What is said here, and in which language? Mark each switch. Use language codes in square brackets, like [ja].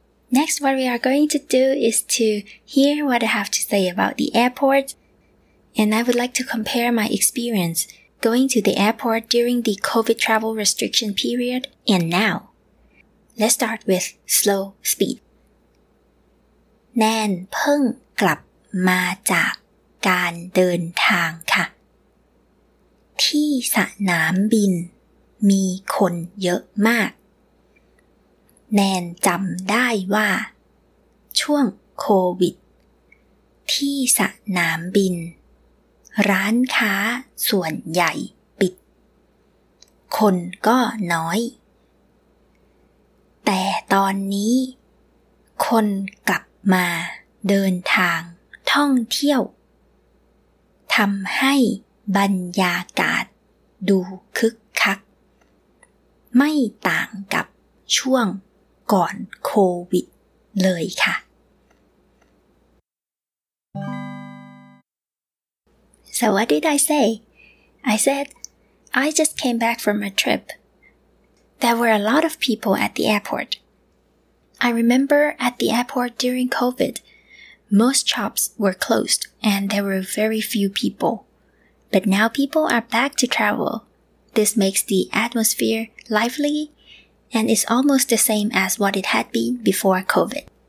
[en] Next what we are going to do is to hear what I have to say about the airport and I would like to compare my experience going to the airport during the COVID travel restriction period and now let's start with slow speed. [th] Nan เพิ่งกลับมาจากการเดินทางค่ะที่สนามบินมีคนเยอะมากแนนจำได้ว่าช่วงโควิดที่สนามบินร้านค้าส่วนใหญ่ปิดคนก็น้อย แต่ตอนนี้คนกลับมาเดินทางท่องเที่ยวทำให้บรรยากาศดูคึกคักไม่ต่างกับช่วงก่อนโควิดเลยค่ะ [en] So what did I say? I said, I just came back from a trip. There were a lot of people at the airport. I remember at the airport during COVID, most shops were closed and there were very few people. But now people are back to travel. This makes the atmosphere lively and is almost the same as what it had been before COVID.